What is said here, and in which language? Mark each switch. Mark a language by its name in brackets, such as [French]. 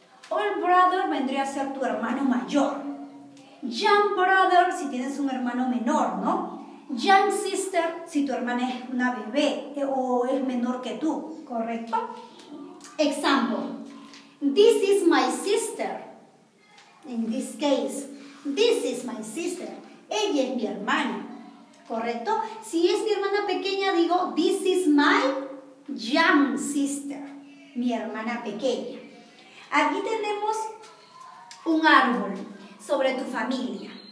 [Spanish] Old brother vendría a ser tu hermano mayor. Young brother, si tienes un hermano menor, ¿no? Young sister, si tu hermana es una bebé o es menor que tú, ¿correcto? [English] Example. This is my sister. In this case, this is my sister. [Spanish] Ella es mi hermana, ¿correcto? Si es mi hermana pequeña, digo, [English] this is my young sister. [Spanish] Mi hermana pequeña. Aquí tenemos un árbol sobre tu familia.